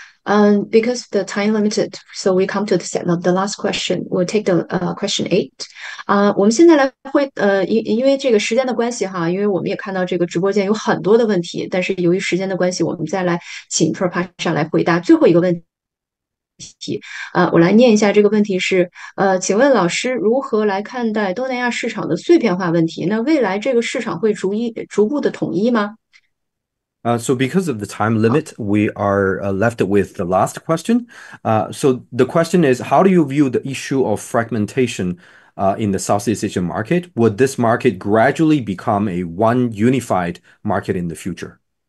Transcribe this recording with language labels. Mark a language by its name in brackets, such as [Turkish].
[English] Because the time limited, so we come to the last question. We'll take the question eight. [Chinese] 我们现在来回因为这个时间的关系哈，因为我们也看到这个直播间有很多的问题，但是由于时间的关系，我们再来请 Professor 来回答最后一个问题。我来念一下这个问题是：请问老师如何来看待东南亚市场的碎片化问题？那未来这个市场会逐步的统一吗？ [English] So because of the time limit, we are left with the last question. So the question is, how do you view the issue of fragmentation in the Southeast Asian market? Would this market gradually become a one unified market in the future?